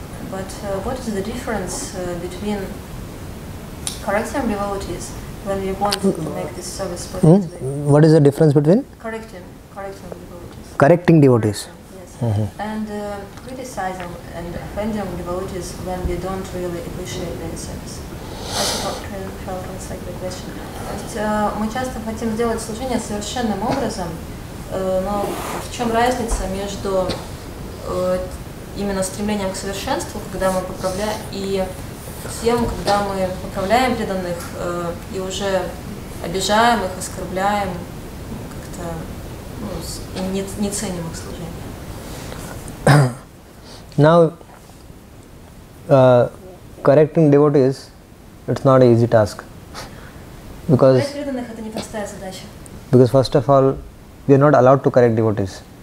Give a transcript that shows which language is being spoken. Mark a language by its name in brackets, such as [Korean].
[English] But what is the difference between correcting devotees when we want to make this service perfectly? What is the difference between? Correcting devotees. Correcting devotees. Mm-hmm. And criticizing and offending devotees when they don't really appreciate their service. That's about Prabhupada's second question. [Russian] Мы часто хотим сделать служение совершенным образом, но в чем разница между именно стремлением к совершенству, когда мы поправляем, и тем, когда мы поправляем преданных и уже обижаем их, оскорбляем, как-то не ценим их служение. [English] Now, correcting devotees, it's not an easy task, because first of all, we are not allowed to correct devotees.